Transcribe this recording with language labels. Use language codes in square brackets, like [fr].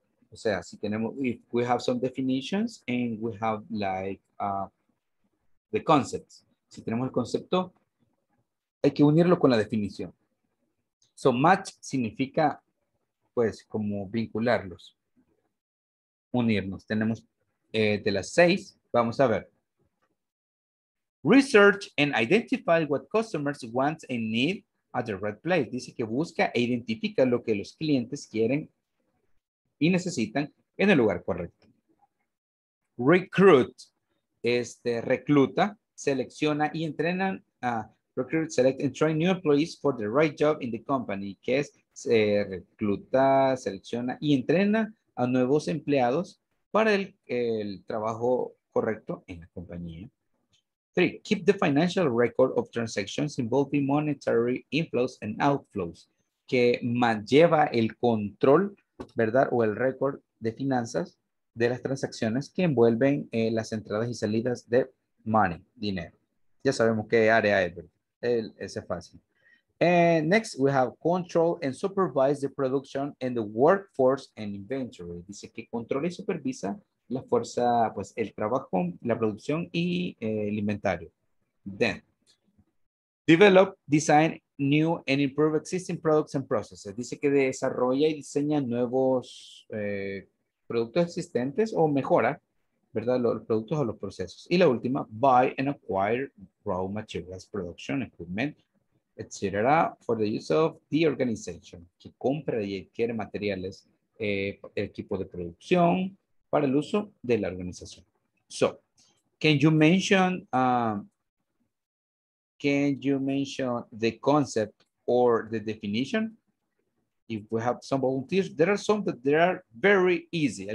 [es] O sea, si tenemos, [en] if we have some definitions and we have like the concepts. [es] Si tenemos el concepto, hay que unirlo con la definición. So, match significa, pues, como vincularlos, unirnos. Tenemos de las seis, vamos a ver. [en] Research and identify what customers want and need at the right place. [es] Dice que busca e identifica lo que los clientes quieren y necesitan en el lugar correcto. Recruit, recluta, selecciona y entrenan a [en] recruit, select and train new employees for the right job in the company, [es] que es recluta, selecciona y entrena a nuevos empleados para el trabajo correcto en la compañía. [en] 3, keep the financial record of transactions involving monetary inflows and outflows, [es] que más lleva el control, ¿verdad? O el récord de finanzas de las transacciones que envuelven las entradas y salidas de money, dinero. Ya sabemos qué área es, ¿verdad? Ese es fácil. [en] And next, we have control and supervise the production and the workforce and inventory. [es] Dice que controla y supervisa la fuerza, pues el trabajo, la producción y el inventario. [en] Then, develop, design new and improve existing products and processes. [es] Dice que desarrolla y diseña nuevos productos existentes o mejora, ¿verdad? Los productos o los procesos. Y la última, [en] buy and acquire raw materials, production, equipment, etc. for the use of the organization. [es] Que compra y adquiere materiales, equipo de producción, para el uso de la organización. [en] So, can you mention the concept or the definition? If we have some volunteers, there are some that they are very easy.